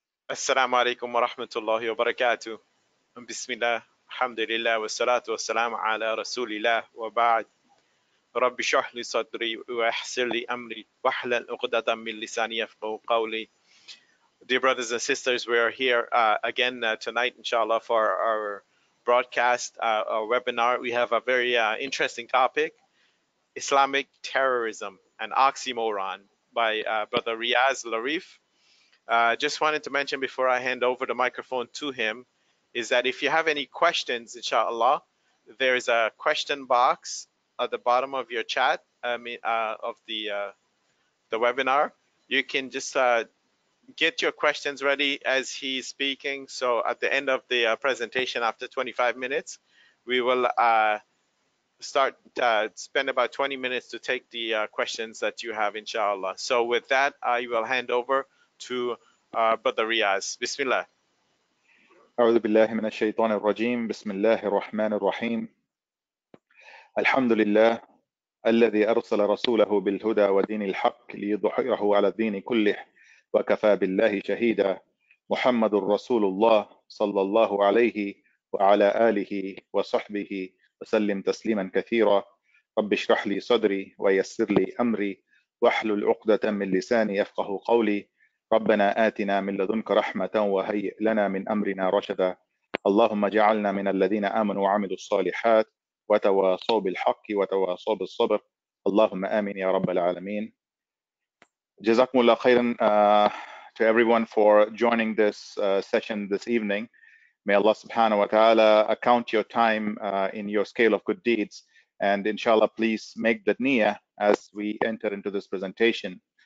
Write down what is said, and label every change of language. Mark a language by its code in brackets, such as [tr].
[ar] السلام عليكم ورحمة الله وبركاته بسم الله الحمد لله والصلاة والسلام على رسول الله وبعد رب اشرح لي صدري ويسر لي أمري واحلل عقدة من لساني يفقهوا قولي. [en] Dear brothers and sisters, we are here again tonight inshallah for our broadcast, our webinar. We have a very interesting topic, Islamic Terrorism, an Oxymoron by Brother Riaz Larif. Just wanted to mention before I hand over the microphone to him is that if you have any questions, inshallah, there is a question box at the bottom of your chat, of the webinar. You can just get your questions ready as he's speaking. So at the end of the presentation, after 25 minutes, we will spend about 20 minutes to take the questions that you have, inshallah. So with that, I will hand over to Brother Riaz. Bismillah. [ar] أعوذ بالله من الشيطان الرجيم. بسم الله الرحمن الرحيم. الحمد لله الذي أرسل رسوله بالهدى ودين الحق ليظهره على الدين كله وكفى بالله شهيدا. محمد رسول الله صلى الله عليه وعلى آله وصحبه وسلم تسليما كثيرا. رب اشرح لي صدري ويسر لي أمري واحلل عقدة من لساني يفقه قولي. ربنا آتنا من لدنك رحمة وهيئ لنا من أمرنا رشدا. اللهم جعلنا من الذين آمنوا وعملوا الصالحات وتواصوا بالحق وتواصوا بالصبر. اللهم آمين يا رب العالمين. جزاكم الله خيرا [en] to everyone for joining this session this evening. May Allah subhanahu wa ta'ala account your time in your scale of good deeds. And inshallah, please make that niyyah as we enter into this presentation.